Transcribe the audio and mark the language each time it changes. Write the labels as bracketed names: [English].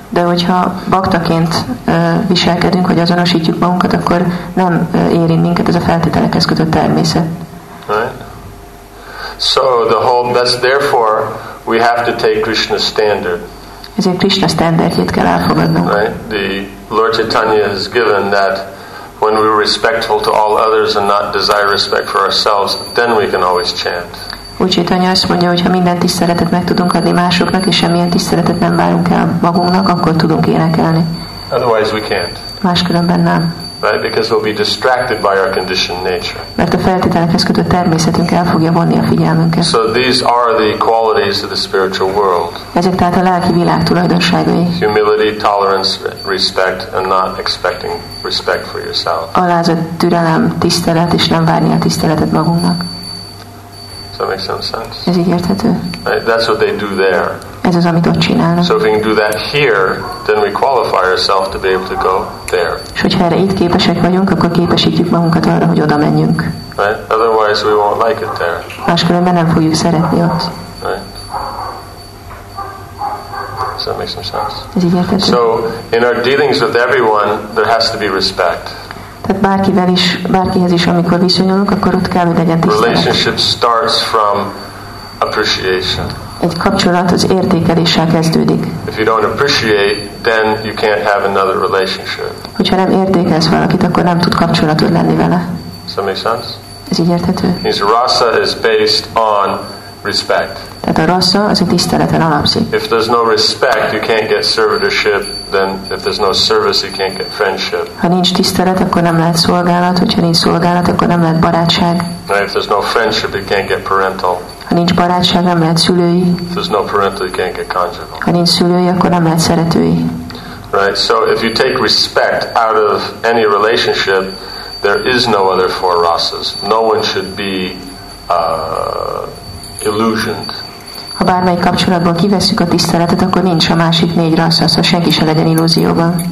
[Hungarian] De hogyha baktaként viselkedünk, hogy azonosítjuk magunkat, akkor nem érint minket ez a feltételekhez kötött természet. [English] Right. So the whole that's therefore we have to take Krishna's standard. [Hungarian] Ezért Krishna standardjét kell elfogadnunk. [English] Right? The Lord Chaitanya has given that When we're respectful to all others and not desire respect for ourselves, then we can always chant. [Hungarian] Úgyhogy anya azt mondja, hogy ha mindent tiszteletet meg tudunk adni másoknak, és semmilyen tiszteletet nem várunk el magunknak, akkor tudunk énekelni. [English] Otherwise we can't. [Hungarian] Máskülönben nem. [English] Right? Because we'll be distracted by our conditioned nature. [Hungarian] Mert a feltételekhez kötött természetünk el fogja vonni a figyelmünket. [English] So these are the qualities of the spiritual world. [Hungarian] Ezek tehát a lelki világ tulajdonságai. [English] Humility, tolerance, respect, and not expecting respect for yourself. [Hungarian] Alázat, türelem, tisztelet, és nem várni a tiszteletet magunknak. [English] That makes some sense. [Hungarian] Ez így érthető. [English] Right? That's what they do there. [Hungarian] Ez az, amit ott csinálnak. [English] So if we can do that here, then we qualify ourselves to be able to go there. [Hungarian] És hogyha erre itt képesek vagyunk, akkor képesítjük magunkat arra, hogy oda menjünk. [English] Right? Otherwise we won't like it there. [Hungarian] Máskülönben nem fogjuk szeretni ott. [English] Right? So that makes some sense. [Hungarian] Ez így érthető. [English] So in our dealings with everyone, there has to be respect. [Hungarian] Tehát bárkivel is, bárkihez is, amikor viszonyulunk, akkor ott kell, hogy legyen tisztelet. [English] Relationship starts from appreciation. [Hungarian] Egy kapcsolat az értékeléssel kezdődik. [English] If you don't appreciate, then you can't have another relationship. [Hungarian] Hogyha nem értékelsz valakit, akkor nem tud kapcsolatod lenni vele. [English] Does that make sense? [Hungarian] Ez így érthető. [English] His rasa is based on respect. [Hungarian] Tehát a rasa az a tiszteleten alapszik. [English] If there's no respect, you can't get servitorship. Then if there's no service, you can't get friendship. [Hungarian] Ha nincs tisztelet, akkor nem lehet szolgálat, hogyha nincs szolgálat, akkor nem lehet barátság. [English] Right, if there's no friendship, you can't get parental. [Hungarian] Ha nincs barátság, nem lehet szülői. [English] If there's no parental, you can't get conjugal. [Hungarian] Ha nincs szülői, akkor nem lehet szeretői. [English] Right, so if you take respect out of any relationship, there is no other four rasas. No one should be illusioned. [Hungarian] Ha bármelyik kapcsolatból kivesszük a tiszteletet, akkor nincs a másik négy rassza, szóval senki se legyen illúzióban.